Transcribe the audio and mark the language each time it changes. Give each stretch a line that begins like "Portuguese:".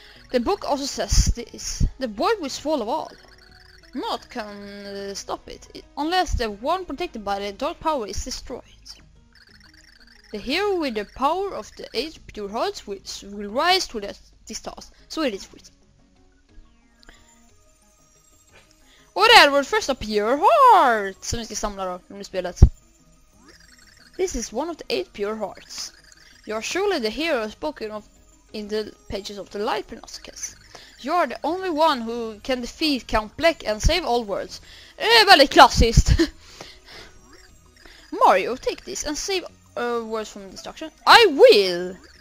English: The book also says this. The void will swallow all. Not can stop it, unless the one protected by the dark power is destroyed. The hero with the power of the eight pure hearts will rise to this task. So it is written.
Swedish: Och det är vårt första pure heart som vi ska samla då under spelet.
English: This is one of the eight pure hearts. You are surely the hero spoken of in the pages of the Light Panopticus. You are the only one who can defeat Count Black and save all worlds.
Swedish: Väldigt klassiskt!
English: Mario, take this and save worlds from destruction. I will!